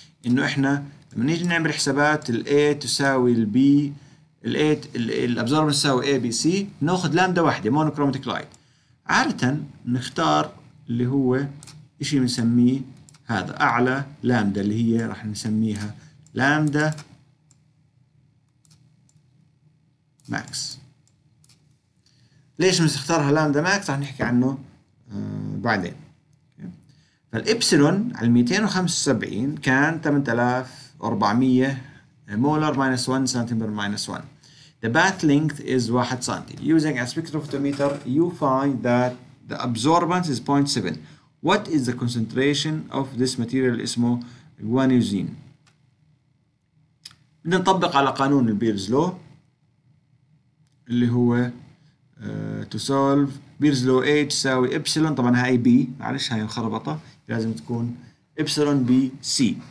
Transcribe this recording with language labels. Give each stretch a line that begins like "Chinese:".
Arabic: انه احنا لما نيجي نعمل حسابات الـ A تساوي الـ B الـ A الابزوربن تساوي A B C، ناخذ لامدا واحدة مونوكروماتيك لايت، عادة نختار اللي هو اشي بنسميه هذا اعلى لامدا اللي هي راح نسميها لامدا ماكس. ليش بنختارها لامدا ماكس؟ راح نحكي عنه بعدين. فالابسلون على 275 كان 8400 مولر ماينس 1 سنتيمتر ماينس 1.
English: The path length is 1 centimetre. Using a spectrophotometer, you find that the absorbance is 0.7. What is the concentration of this material
Arabic: اسمه guanosine؟ بدنا نطبق على قانون البيرز لو اللي هو to solve بيرز لو A تساوي epsilon، طبعا هاي B معلش هاي خربطة، لازم تكون epsilon B C.